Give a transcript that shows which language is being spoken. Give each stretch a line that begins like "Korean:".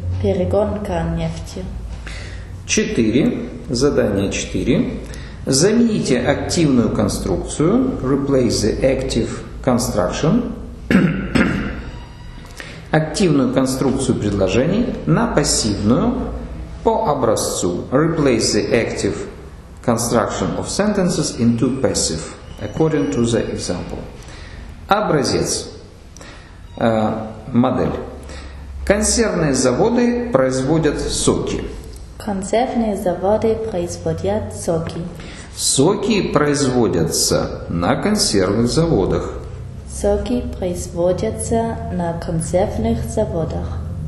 Russian: Перегонка нефти. 4. Задание 4. Замените активную конструкцию.
English: Replace the active construction.
Russian: Активную конструкцию предложений на пассивную. По образцу,
English: replace the active construction of sentences into passive, according to the example.
Russian: Образец, модель. Консервные заводы производят соки. Консервные заводы производят соки. Соки производятся на консервных заводах. Соки производятся на консервных заводах.